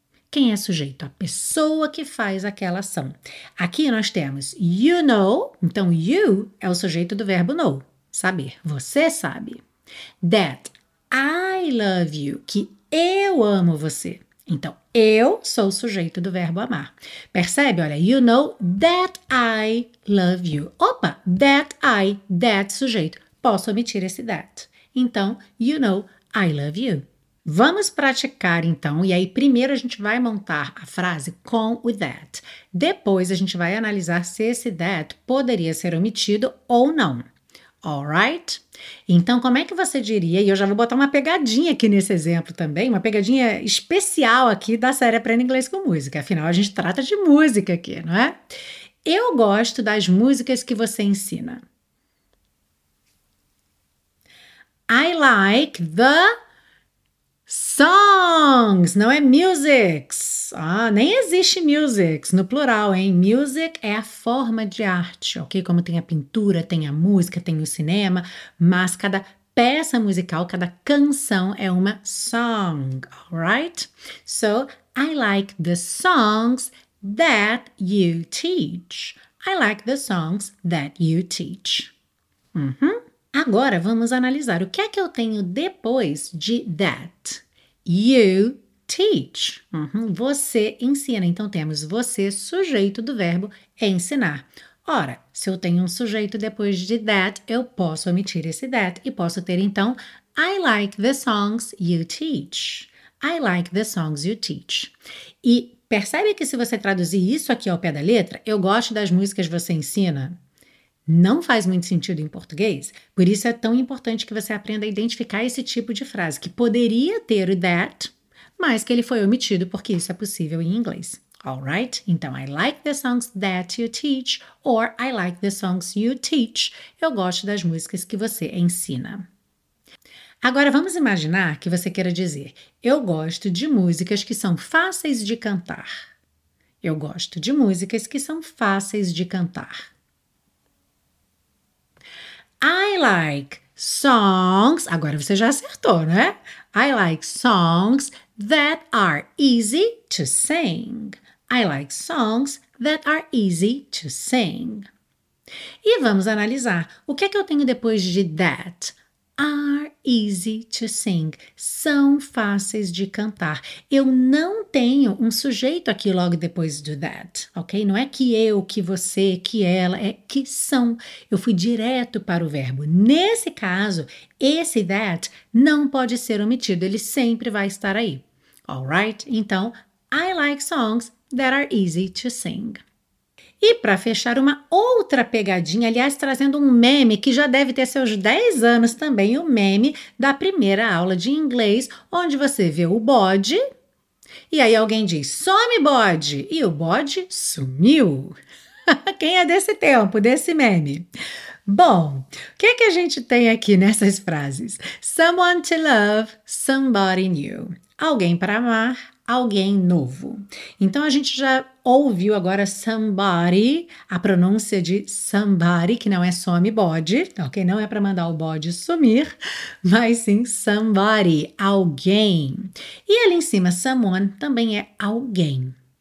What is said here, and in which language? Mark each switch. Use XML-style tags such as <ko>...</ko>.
<pt>Quem é sujeito? A pessoa que faz aquela ação. Aqui nós temos</pt> <en>you know,</en> <pt>então you é o sujeito do verbo know, saber, você sabe.</pt> <en>That, I love you,</en> <pt>que eu amo você. Então, eu sou o sujeito do verbo amar. Percebe?</pt> <en>Olha, you know that I love you. Opa, that I, that sujeito.</en> <pt>Posso omitir esse that. Então,</pt> <en>you know I love you.</en> <pt>Vamos praticar então, e aí primeiro a gente vai montar a frase com o that. Depois a gente vai analisar se esse that poderia ser omitido ou não.</pt> <en>All right?</en> <pt>Então, como é que você diria? E eu já vou botar uma pegadinha aqui nesse exemplo também, uma pegadinha especial aqui da série Aprenda Inglês com Música. Afinal, a gente trata de música aqui, não é? Eu gosto das músicas que você ensina.</pt> <en>I like the songs,</en> <pt>não é musics. Ah, nem existe musics no plural, hein? Music é a forma de arte, ok? Como tem a pintura, tem a música, tem o cinema, mas cada peça musical, cada canção é uma song,</pt> <en>alright? So, I like the songs that you teach. I like the songs that you teach.</en> <pt>Agora vamos analisar o que é que eu tenho depois de that.</pt> <en>You teach.</en> <pt>Você ensina. Então temos você, sujeito do verbo ensinar. Ora, se eu tenho um sujeito depois de that, eu posso omitir esse that e posso ter então</pt> <en>I like the songs you teach. I like the songs you teach.</en> <pt>E percebe que se você traduzir isso aqui ao pé da letra, eu gosto das músicas que você ensina. Não faz muito sentido em português, por isso é tão importante que você aprenda a identificar esse tipo de frase, que poderia ter o that, mas que ele foi omitido, porque isso é possível em inglês.</pt> <en>All right? Então, I like the songs that you teach, or I like the songs you teach.</en> <pt>Eu gosto das músicas que você ensina. Agora, vamos imaginar que você queira dizer: eu gosto de músicas que são fáceis de cantar. Eu gosto de músicas que são fáceis de cantar.</pt> <en>I like songs.</en> <pt>Agora você já acertou, né?</pt> <en>I like songs that are easy to sing. I like songs that are easy to sing.</en> <pt>E vamos analisar. O que é que eu tenho depois de that?</pt> <en>Are easy to sing.</en> <pt>São fáceis de cantar. Eu não tenho um sujeito aqui logo depois do that, ok? Não é que eu, que você, que ela, é que são. Eu fui direto para o verbo. Nesse caso, esse that não pode ser omitido. Ele sempre vai estar aí.</pt> <en>All right? Então, I like songs that are easy to sing.</en> <pt>E para fechar, uma outra pegadinha, aliás, trazendo um meme que já deve ter seus 10 anos também, o meme da primeira aula de inglês, onde você vê o bode e aí alguém diz: some bode! E o bode sumiu. Quem é desse tempo, desse meme? Bom, o que que a gente tem aqui nessas frases?</pt> <en>Someone to love, somebody new.</en> <pt>Alguém para amar, alguém novo. Então a gente já ouviu agora somebody, a pronúncia de somebody, que não é somebody, ok? Não é para mandar o bode sumir, mas sim somebody, alguém. E ali em cima, someone também é alguém.</pt>